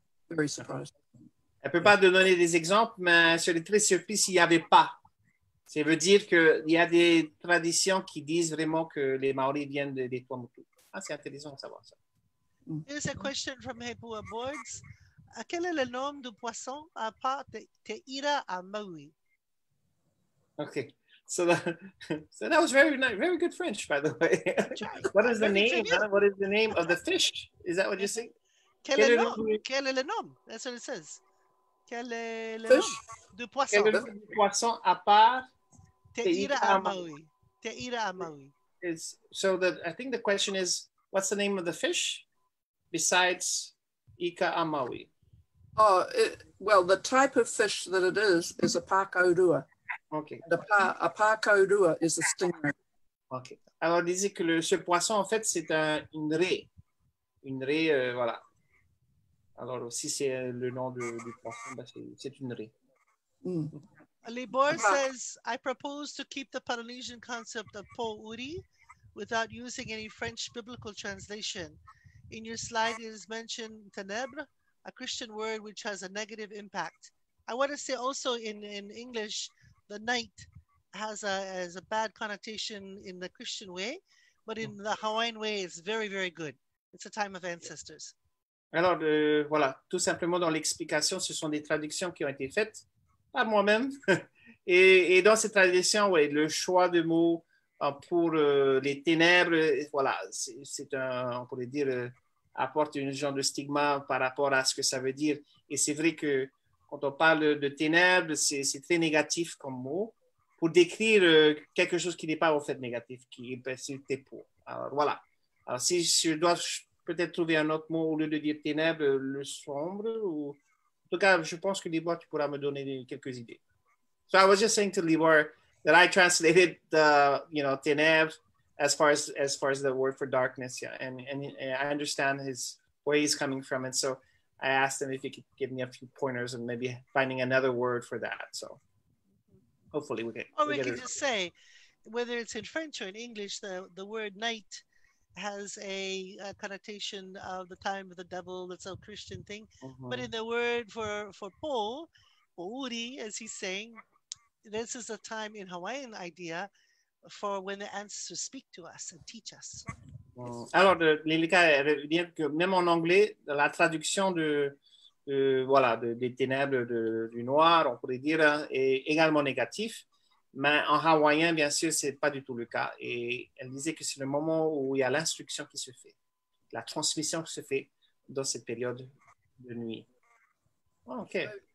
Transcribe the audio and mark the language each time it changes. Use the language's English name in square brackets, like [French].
[English] Very surprised. [French] Elle ne peut pas te donner des exemples, mais elle serait très surpris s'il n'y avait pas. Ça veut dire qu'il y a des traditions qui disent vraiment que les Maoris viennent des Tuamotu. Ah, c'est intéressant de savoir ça. [English] There's a question from Hepua Boards. [French] Quel est le nom du poisson à part Te Ira à Maui? [English] Okay, so that was very nice, very good French, by the way. What is the name of the fish? Is that what you say? [French] Quel est le nom? [English] That's what it says. [French] Quel est le [English] fish? [French] Nom du poisson? Quel est le nom du poisson à part Te Ira à Maui? Te Ira à Maui. [English] I think the question is, what's the name of the fish besides Ika a Maui? Oh, the type of fish that it is a pākaurua. Okay. A pākaurua is a stingray. Okay. [French] Alors, disait que ce poisson, en fait, c'est une raie. Une raie, voilà. Alors, si c'est le nom du poisson, ben c'est une raie. [English] Mm. Libor says, I propose to keep the Polynesian concept of pōuri without using any French biblical translation. In your slide, it is mentioned tenebre, a Christian word which has a negative impact. I want to say also in English, the night has a bad connotation in the Christian way, but in the Hawaiian way, it's very, very good. It's a time of ancestors. [French] Alors, voilà, tout simplement dans l'explication, ce sont des traductions qui ont été faites par moi-même. et dans ces traductions, ouais, le choix de mots pour les ténèbres, voilà, c'est un, on pourrait dire... apporte une genre de stigma par rapport à ce que ça veut dire. Et c'est vrai que quand on parle de ténèbres, c'est très négatif comme mot pour décrire quelque chose qui n'est pas au fait négatif, qui est perçu pour. Alors, voilà. Alors, si je dois peut-être trouver un autre mot au lieu de dire ténèbres, le sombre, ou... En tout cas, je pense que Libor, tu pourras me donner quelques idées. [English] So I was just saying to Libor that I translated the, you know, ténèbres as far as the word for darkness, yeah, and I understand his where he's coming from, and so I asked him if he could give me a few pointers and maybe finding another word for that. So hopefully just say whether it's in French or in English, the word night has a connotation of the time of the devil. That's a Christian thing, mm-hmm. But in the word for Paul, Pouri, as he's saying, this is a time in Hawaiian idea. For when the ancestors speak to us and teach us. [French] Alors, Lilika, elle dit que même en anglais, la traduction des ténèbres du noir, on pourrait dire, est également négatif. Mais en hawaïen, bien sûr, c'est pas du tout le cas. Et elle disait que c'est le moment où il y a l'instruction qui se fait, la transmission qui se fait dans cette période de nuit. [English] Oh, okay.